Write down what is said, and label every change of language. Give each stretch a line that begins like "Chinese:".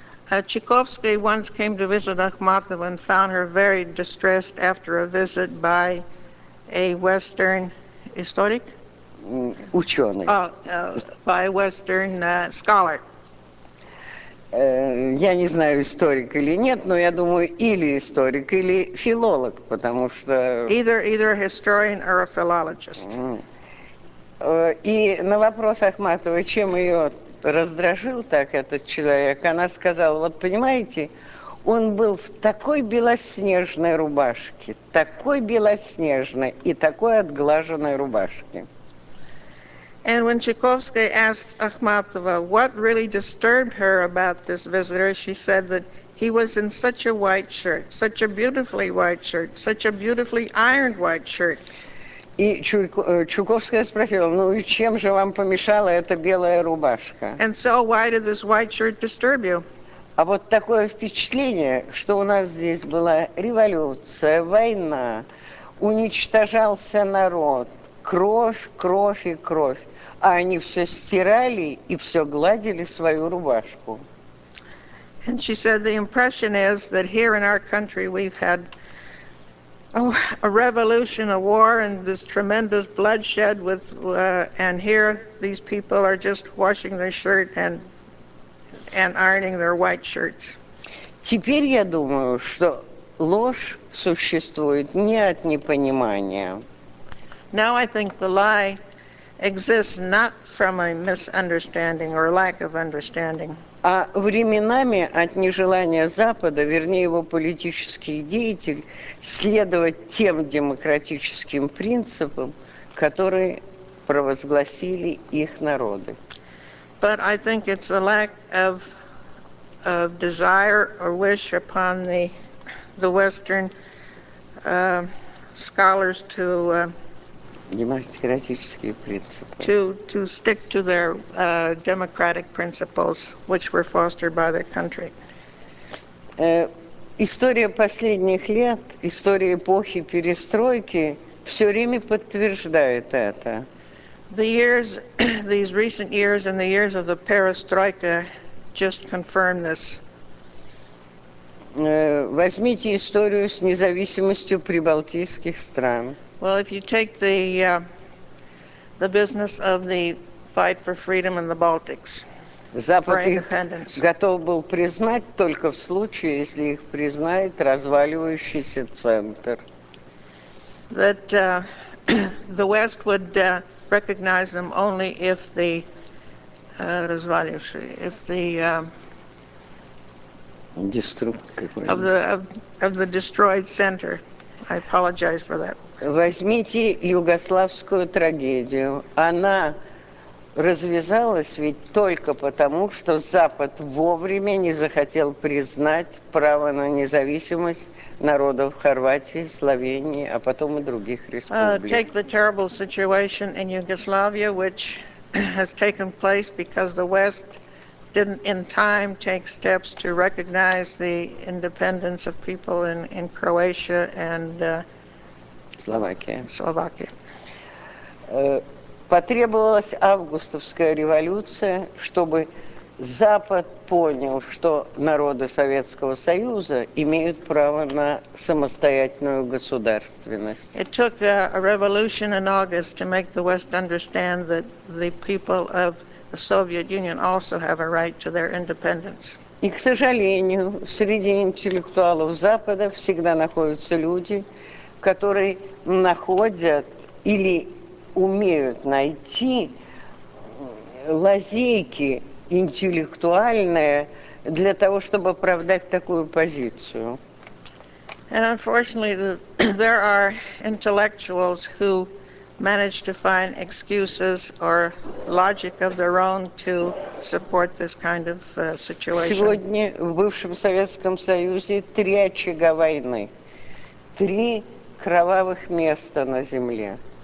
English: Чайковский once came to visit Ахматова and found her very distressed after a visit by a Western historic?
Russian: Ученый.
English: By a Western scholar.
Russian: Я не знаю, историк или нет, но я думаю, или историк, или филолог, потому что...
English: Either a historian or a philologist.
Russian: И на вопрос Ахматовой, чем ее раздражил так этот человек, она сказала, вот понимаете, он был в такой белоснежной рубашке, такой белоснежной и такой отглаженной рубашке.
English: And when Чайковская asked Ахматова, what really disturbed her about this visitor, she said that he was in such a white shirt, such a beautifully white shirt, such a beautifully ironed white shirt.
Russian: И Чайковская спросила, ну и чем же вам помешала эта белая рубашка?
English: And so why did this white shirt disturb you?
Russian: А вот такое впечатление, что у нас здесь была революция, война, уничтожался народ, кровь, кровь и кровь. А они все стирали и все гладили свою рубашку.
English: And she said the impression is that here in our country we've had a revolution, a war, and this tremendous bloodshed with, and here these people are just washing their shirt and ironing their white shirts.
Russian: Теперь я думаю, что ложь существует не от непонимания.
English: Now I think the lie exists not from a misunderstanding or lack of understanding.
Russian: А временами от нежелания Запада, вернее его политических деятелей, следовать тем демократическим принципам, которые провозгласили их народы.
English: But I think it's a lack of desire or wish upon the Western scholars to
Russian: демократические принципы.
English: To stick to their democratic principles, which were fostered by their country.
Russian: История последних лет, история эпохи перестройки, все время подтверждает это.
English: The years, these recent years and the years of the perestroika just confirm this.
Russian: Возьмите историю с независимостью прибалтийских стран.
English: Well, if you take the business of the fight for freedom in the Baltics,
Russian: Запад
English: for independence,
Russian: готов был признать только в случае, если их признает разваливающийся центр.
English: That the West would recognize them only if the destroyed destroyed center. I apologize for that.
Russian: Возьмите югославскую трагедию. Она развязалась ведь только потому, что Запад вовремя не захотел признать право на независимость народов Хорватии, Словении, а потом и других республик.
English: Take the terrible situation in Yugoslavia, which has taken place because the West didn't in time take steps to recognize the independence of people in Croatia and Словакия.
Russian: Потребовалась августовская революция, чтобы Запад понял, что народы Советского Союза имеют право на самостоятельную государственность.
English: It took a revolution in August to make the West understand that the people of the Soviet Union also have a right to their independence.
Russian: И, к сожалению, среди интеллектуалов Запада всегда находятся люди, которые находят или умеют найти лазейки интеллектуальные для того, чтобы оправдать такую позицию.
English: And unfortunately, there are intellectuals who manage to find excuses or logic of their own to support this kind of situation.
Russian: Сегодня в бывшем Советском Союзе три очага войны. Три кровавых места на земле.